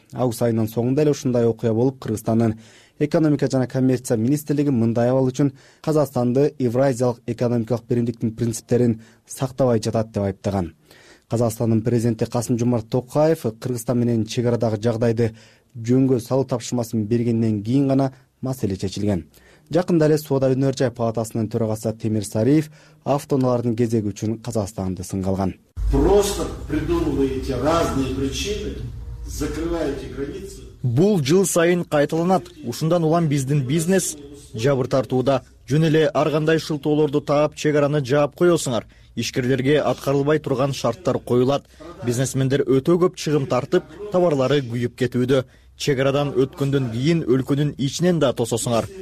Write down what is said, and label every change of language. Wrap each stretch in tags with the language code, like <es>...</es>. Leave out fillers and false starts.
<ky>Август айынын соңунда эле ушундай окуя болуп, Кыргызстандын экономика жана коммерция министрлиги мындай абал үчүн Казакстанды Евразиялык экономикалык биримдиктин принциптерин сактабай жатат деп айыптаган. Казакстандын президенти Касым Жомарт Токаев Кыргызстан менен чек арадагы жагдайды жөнгө салуу тапшырмасын бергенден кийин гана маселе чечилген. Жакында эле соода өнөр жай палатасынын төрагасы Темир Сариев автоунаалардын кезеги үчүн Казакстанды сынга алган.</ky> <ru>Просто придумываете разные причины, закрываете границы.</ru> <ky>Бул жыл сайын кайталанат. Ушундан улам биздин бизнес жабыр тартууда. Жөн эле ар кандай шылтоолорду таап, чек араны жаап коесуңар. Ишкерлерге аткарылбай турган шарттар коюлат. Бизнесмендер өтө көп чыгым тартып, товарлары күйүп кетүүдө. Чек арадан өткөндөн кийин өлкөнүн ичинен да тососуңар.</ky>